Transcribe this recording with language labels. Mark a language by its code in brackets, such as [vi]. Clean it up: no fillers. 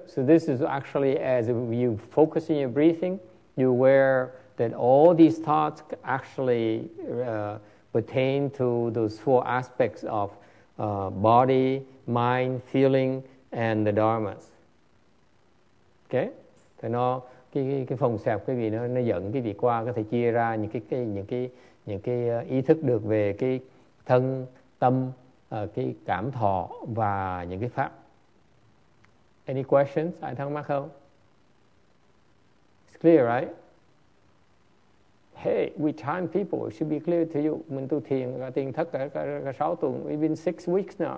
[en] So this is actually, as you focus on your breathing, you're aware that all these thoughts actually pertain to those four aspects of body, mind, feeling, and the dharmas. Okay? [vi] Thì nó cái phòng xẹp quý vị nó dẫn quý vị qua có thể chia ra những cái ý thức được về cái thân tâm cái cảm thọ và những cái pháp. [en] Any questions? [vi] Ai thắc mắc không? [en] It's clear, right? Hey, we Chan people, it should be clear to you. [vi] Mình tu thiền, cả tiền thất, cả 6 tuần, [en] even 6 weeks now.